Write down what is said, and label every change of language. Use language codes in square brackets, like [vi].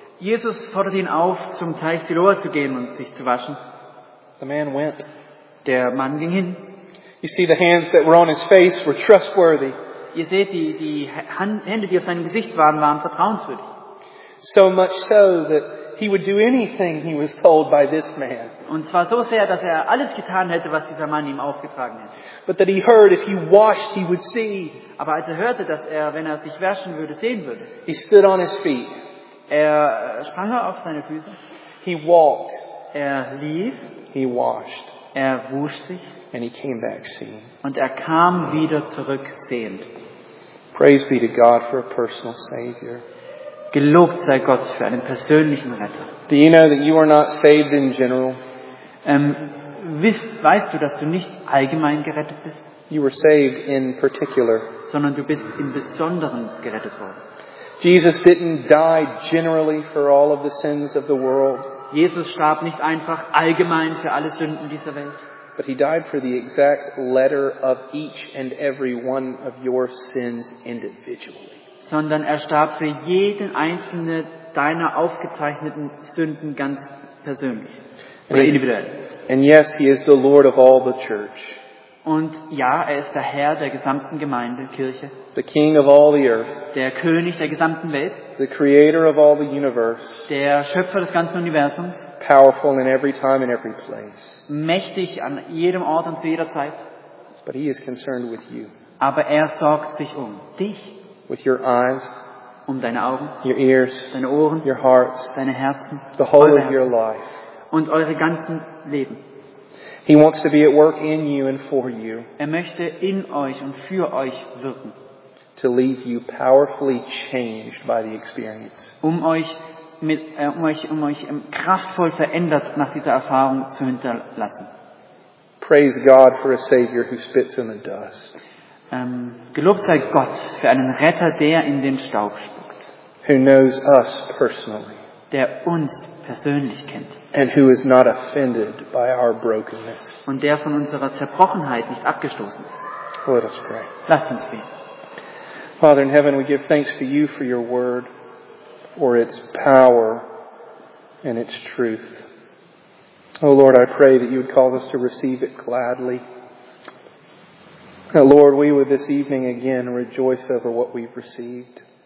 [de] Jesus fordert ihn auf, zum Teich Siloa zu gehen und sich zu waschen. [en] The man went. [de] Der Mann ging hin. [en] You see, the hands that were on his face were trustworthy. [de] Ihr seht, die Hände, die auf seinem Gesicht waren vertrauenswürdig. [en] So much so that he would do anything he was told by this man. [de] Und zwar so sehr, dass er alles getan hätte, was dieser Mann ihm aufgetragen hätte. [en] But that he heard if he washed, he would see. [de] Aber als er hörte, dass er, wenn er sich waschen würde, sehen würde. [en] He stood on his feet. [de] Er sprang auf seine Füße. [en] He walked. [de] Er lief. [en] He washed. [de] Er wusch sich. [en] And he came back seeing. [de] Und er kam wieder zurück sehend. [en] Praise be to God for a personal savior. [de] Gelobt sei Gott für einen persönlichen Retter. [en] Do you know that you are not saved in general? [de] Weißt du, dass du nicht allgemein gerettet bist? [en] You were saved in particular. [de] Sondern du bist im Besonderen gerettet worden. [en] Jesus didn't die generally for all of the sins of the world. [de] Jesus starb nicht einfach allgemein für alle Sünden dieser Welt. [en] But he died for the exact letter of each and every one of your sins individually. [de] sondern er starb für jeden einzelnen deiner aufgezeichneten Sünden ganz persönlich. Oder individuell. [en] And yes, he is the Lord of all the church. [de] Und ja, er ist der Herr der gesamten Gemeinde, Kirche. [en] The King of all the earth. [de] Der König der gesamten Welt. [en] The Creator of all the universe. [de] Der Schöpfer des ganzen Universums. [en] Powerful in every time and every place. [de] Mächtig an jedem Ort und zu jeder Zeit. [en] But he is concerned with you. [de] Aber er sorgt sich um dich. [en] With your eyes. [de] Um deine Augen. [en] Your ears. [de] Deine Ohren. [en] Your hearts. [de] Deine Herzen. [en] The whole of your life. [de] Und eure ganzen Leben. [en] He wants to be at work in you and for you. [de] Er möchte in euch und für euch wirken. [en] To leave you powerfully changed by the experience. [de] Um euch mit um euch kraftvoll verändert nach dieser Erfahrung zu hinterlassen. [en] Praise God for a Savior who spits in the dust. [de] Gelobt sei Gott für einen Retter, der in den Staub spuckt. [en] Who knows us personally. [de] Der uns persönlich kennt. [en] And who is not offended by our brokenness. [de] Und der von unserer Zerbrochenheit nicht abgestoßen ist. [en] Let us pray. [de] Lasst uns beten. [en] Father in heaven, we give thanks to you for your word, for its power and its truth. Oh Lord, I pray that you would cause us to receive it gladly. Now, Lord, we would this evening again rejoice over what we've received.